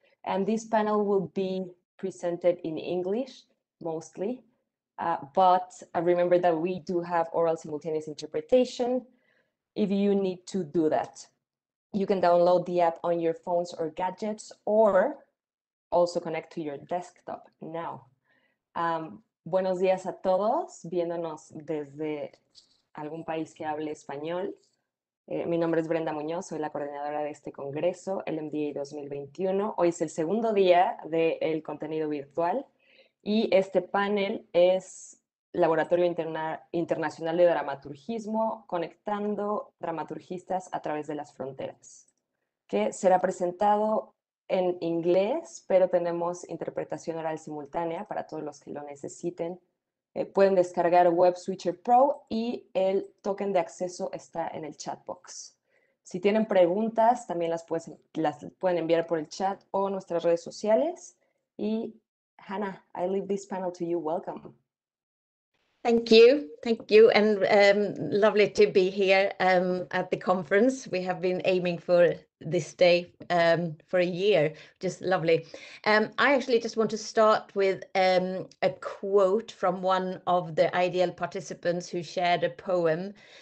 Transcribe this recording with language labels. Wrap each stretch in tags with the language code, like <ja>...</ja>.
<en>And this panel will be presented in English, mostly. But remember that we do have oral simultaneous interpretation if you need to do that. You can download the app on your phones or gadgets, or also connect to your desktop now.</en> <es>Buenos días a todos, viéndonos desde algún país que hable español. Mi nombre es Brenda Muñoz, soy la coordinadora de este congreso, LMDA 2021. Hoy es el segundo día del contenido virtual y este panel es Laboratorio Internacional de Dramaturgismo, conectando dramaturgistas a través de las fronteras, que será presentado en inglés, pero tenemos interpretación oral simultánea para todos los que lo necesiten. Pueden descargar Web Switcher Pro y el token de acceso está en el chat box. Si tienen preguntas, también las pueden enviar por el chat o nuestras redes sociales.</es> <en>Y Hanna, I leave this panel to you. Welcome. Thank you. And lovely to be here at the conference. We have been aiming for this day for a year, just lovely. I actually just want to start with a quote from one of the IDL participants who shared a poem.</en>